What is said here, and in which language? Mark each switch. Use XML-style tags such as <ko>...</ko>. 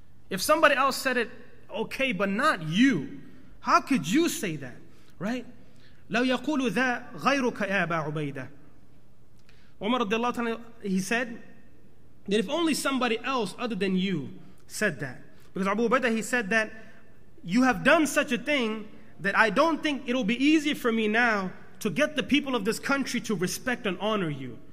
<en>If somebody else said it, okay, but not you. How could you say that? Right?</en> <ar>لو يقول ذا غيرك يا أبا عبيدة.</ar> <en>Umar radiallahu ta'ala, he said, that if only somebody else other than you said that. Because Abu Ubaidah, he said that, "You have done such a thing that I don't think it'll be easy for me now to get the people of this country to respect and honor you.</en>